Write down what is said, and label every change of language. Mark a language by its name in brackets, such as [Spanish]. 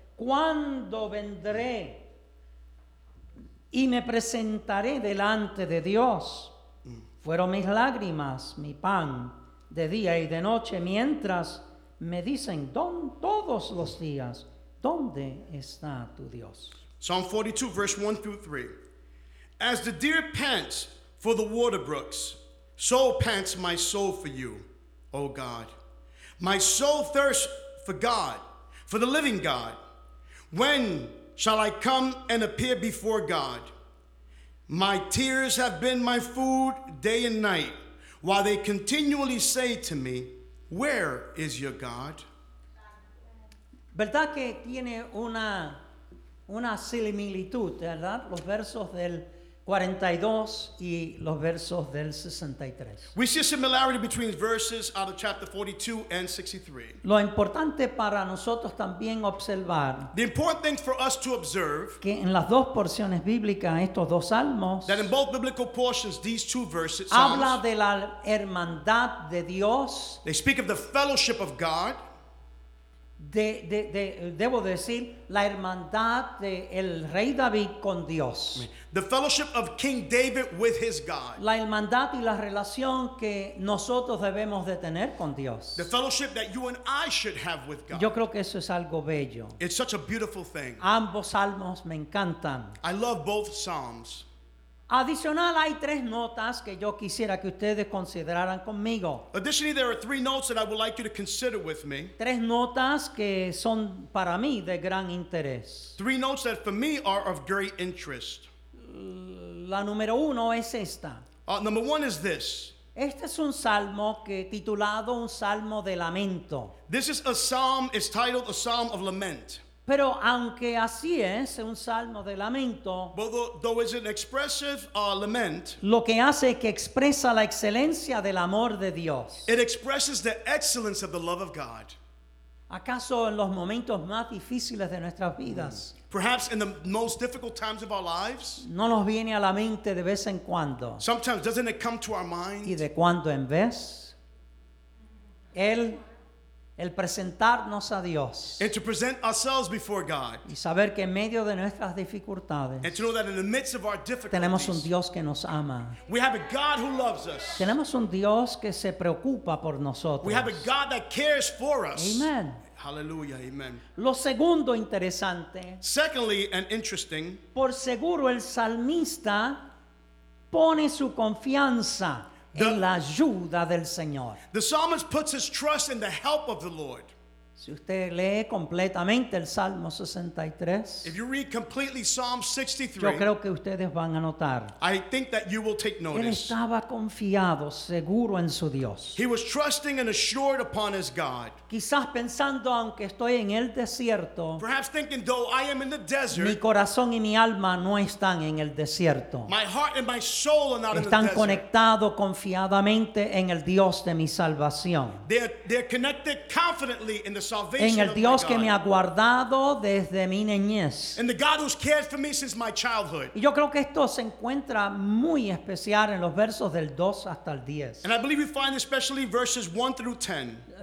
[Spanish] ¿Cuándo vendré y me presentaré delante de Dios? Fueron mis lágrimas, mi pan, de día y de noche, mientras me dicen todos los días, ¿dónde está tu Dios? [English] Psalm 42, verse 1 through 3. As the deer pants for the water brooks, so pants my soul for you, O God. My soul thirsts for God, for the living God. When shall I come and appear before God? My tears have been my food day and night, while they continually say to me, where is your God? [Spanish] ¿Verdad que tiene una similitud, verdad? Los versos del 42 y los versos del 63. [English] We see a similarity between verses out of chapter 42 and 63. [Spanish] Lo importante para nosotros también observar. [English] The important thing for us to observe. [Spanish] Que en las dos porciones bíblicas, estos dos salmos. [English] That in both biblical portions, these two verses. [Spanish] Habla de la hermandad de Dios. [English] They speak of the fellowship of God. [Spanish] De debo decir la hermandad de el rey David con Dios. [English] The fellowship of King David with his God. [Spanish] La hermandad y la relación que nosotros debemos de tener con Dios. [English] The fellowship that you and I should have with God. [Spanish] Yo creo que eso es algo bello. [English] It's such a beautiful thing. [Spanish] Ambos salmos me encantan. [English] I love both psalms. [Spanish] Adicional, hay tres notas que yo quisiera que ustedes consideraran conmigo. [English] Additionally, there are three notes that I would like you to consider with me. [Spanish] Tres notas que son para mí de gran interés. [English] Three notes that for me are of great interest. [Spanish] La número uno es esta. [English] Number one is this. [Spanish] Este es un salmo que titulado un salmo de lamento. [English] This is a psalm, it's titled a psalm of lament. [Spanish] Pero aunque así es, un salmo de lamento, [English] but though it's an expressive lament, [Spanish] lo que hace es que expresa la excelencia del amor de Dios. [English] It expresses the excellence of the love of God. [Spanish] ¿Acaso en los momentos más difíciles de nuestras vidas? [English] Perhaps in the most difficult times of our lives. [Spanish] No nos viene a la mente de vez en cuando. [English] Sometimes doesn't it come to our mind? [Spanish] Y de cuando en vez. El presentarnos a Dios. [English] And to present ourselves before God. [Spanish] Y saber que en medio de nuestras dificultades. [English] And to know that in the midst of our difficulties. [Spanish] Tenemos un Dios que nos ama. [English] We have a God who loves us. [Spanish] Tenemos un Dios que se preocupa por nosotros. [English] We have a God that cares for us. Amen. Hallelujah. Amen. [Spanish] Lo segundo interesante. [English] Secondly and interesting. [Spanish] Por seguro el salmista pone su confianza. En la ayuda del Señor. [English] The psalmist puts his trust in the help of the Lord. [Spanish] Si usted lee completamente el Salmo 63, [English] if you read completely Psalm 63, [Spanish] yo creo que ustedes van a notar. [English] I think that you will take notice. [Spanish] Él estaba confiado, seguro en su Dios. [English] He was trusting and assured upon his God. [Spanish] Quizás pensando, aunque estoy en el desierto, [English] perhaps thinking, though I am in the desert, [Spanish] mi corazón y mi alma no están en el desierto. [English] My heart and my soul are not in the desert. [Spanish] Están conectados confiadamente en el Dios de mi salvación. [English] They're connected confidently in the salvation [Spanish] en el Dios [English] of [Spanish] que me ha guardado desde mi niñez. [English] In the God who's cared for me since my childhood. [Spanish] Y yo creo que esto se encuentra muy especial en los versos del 2 hasta el 10. [English] And I believe we find especially verses 1 through 10.